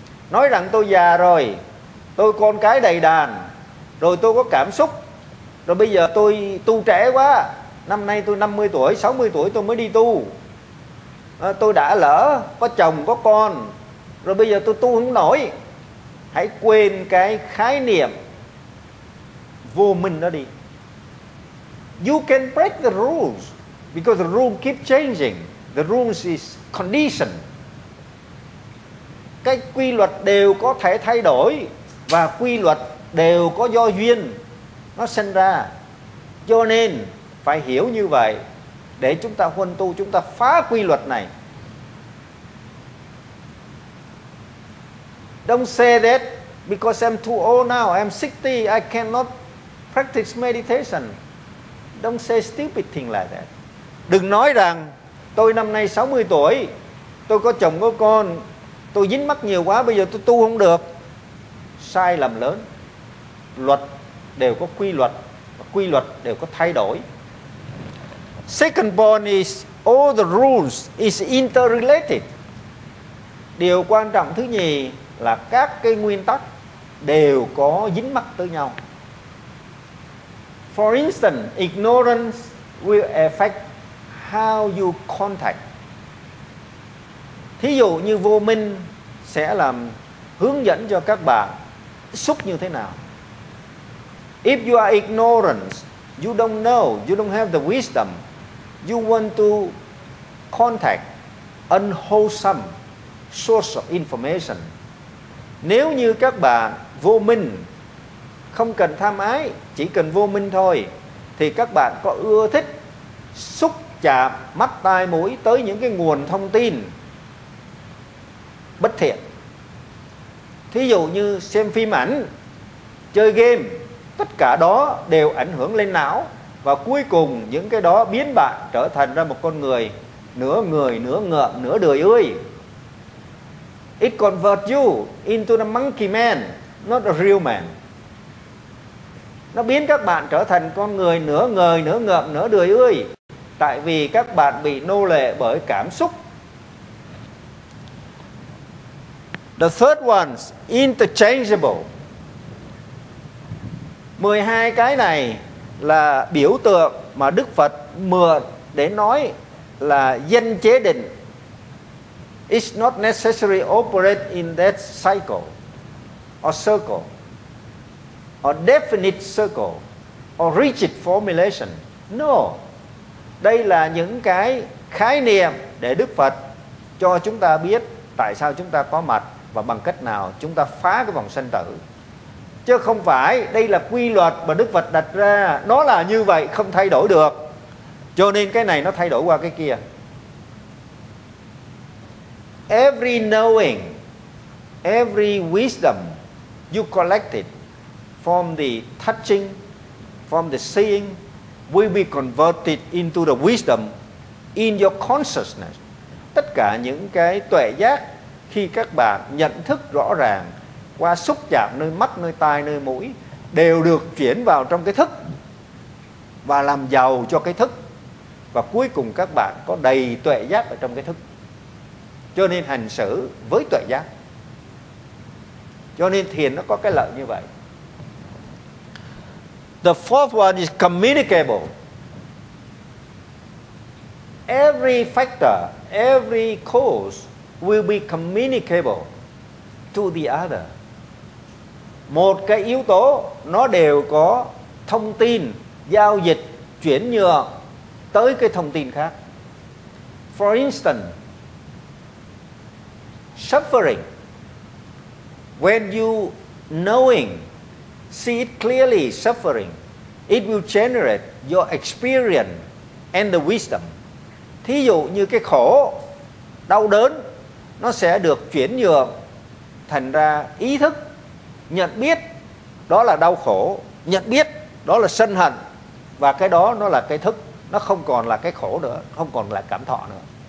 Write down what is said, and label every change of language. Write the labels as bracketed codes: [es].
[vi] Nói rằng tôi già rồi, tôi con cái đầy đàn, rồi tôi có cảm xúc, rồi bây giờ tôi tu trẻ quá, năm nay tôi 50 tuổi, 60 tuổi tôi mới đi tu. Tôi đã lỡ có chồng, có con, rồi bây giờ tôi tu không nổi. Hãy quên cái khái niệm vô minh đó đi. [en] You can break the rules because the rules keep changing. The rules is conditioned. [vi] Cái quy luật đều có thể thay đổi và quy luật đều có do duyên nó sinh ra. Cho nên phải hiểu như vậy để chúng ta huân tu, chúng ta phá quy luật này. [en] Don't say that because I'm too old now, I'm 60, I cannot practice meditation. Don't say stupid thing like that. [vi] Đừng nói rằng tôi năm nay 60 tuổi, tôi có chồng có con, tôi dính mắc nhiều quá, bây giờ tôi tu không được. Sai lầm lớn. Luật đều có quy luật và quy luật đều có thay đổi. [en] Second point is all the rules is interrelated. [vi] Điều quan trọng thứ nhì là các cái nguyên tắc đều có dính mắc tới nhau. [en] For instance, ignorance will affect how you contact. [vi] Thí dụ như vô minh sẽ làm hướng dẫn cho các bạn xúc như thế nào. [en] If you are ignorant, you don't know, you don't have the wisdom, you want to contact unwholesome source of information. [vi] Nếu như các bạn vô minh, không cần tham ái, chỉ cần vô minh thôi, thì các bạn có ưa thích xúc chạm mắt tai mũi tới những cái nguồn thông tin bất thiện. Thí dụ như xem phim ảnh, chơi game, tất cả đó đều ảnh hưởng lên não. Và cuối cùng những cái đó biến bạn trở thành ra một con người nửa ngợm, nửa đười ươi. [en] It converts you into a monkey man, not a real man. [vi] Nó biến các bạn trở thành con người nửa ngời, nửa ngợm, nửa đười ươi. Tại vì các bạn bị nô lệ bởi cảm xúc. [en] The third one's interchangeable. [vi] 12 cái này là biểu tượng mà Đức Phật mượn để nói là danh chế định. [en] It's not necessary operate in that cycle or circle or definite circle or rigid formulation. No. [vi] Đây là những cái khái niệm để Đức Phật cho chúng ta biết tại sao chúng ta có mặt và bằng cách nào chúng ta phá cái vòng sanh tử. Chứ không phải đây là quy luật mà Đức Phật đặt ra, nó là như vậy không thay đổi được, cho nên cái này nó thay đổi qua cái kia. [en] Every knowing, every wisdom you collected from the touching, from the seeing, will be converted into the wisdom in your consciousness. [vi] Tất cả những cái tuệ giác khi các bạn nhận thức rõ ràng qua xúc chạm nơi mắt, nơi tai, nơi mũi đều được chuyển vào trong cái thức và làm giàu cho cái thức, và cuối cùng các bạn có đầy tuệ giác ở trong cái thức. Cho nên hành xử với tuệ giác, cho nên thiền nó có cái lợi như vậy. [en] The fourth one is communicable. Every factor, every cause will be communicable to the other. [vi] Một cái yếu tố nó đều có thông tin giao dịch chuyển nhượng tới cái thông tin khác. [en] For instance, suffering. When you knowing, see it clearly, suffering, it will generate your experience and the wisdom. [vi] Thí dụ như cái khổ, đau đớn, nó sẽ được chuyển nhượng thành ra ý thức, nhận biết đó là đau khổ, nhận biết đó là sân hận, và cái đó nó là cái thức, nó không còn là cái khổ nữa, không còn là cảm thọ nữa.